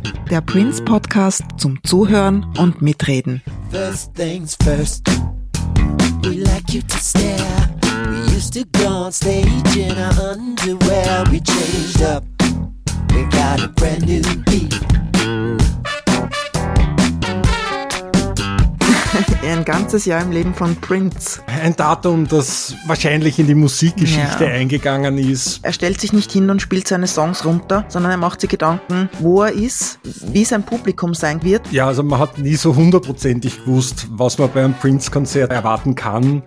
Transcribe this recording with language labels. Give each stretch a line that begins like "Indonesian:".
German: Der Prince-Podcast zum Zuhören und Mitreden.
English: First things first, we like you to stare. We used to go on stage in our underwear. We changed up, we got a brand new beat.
German: Ein ganzes Jahr im Leben von Prince. Ein Datum, das wahrscheinlich in die Musikgeschichte eingegangen ist. Er stellt sich nicht hin und spielt seine Songs runter, sondern er macht sich Gedanken, wo er ist, wie sein Publikum sein wird. Ja, also man hat nie so hundertprozentig gewusst, was man bei einem Prince-Konzert erwarten kann.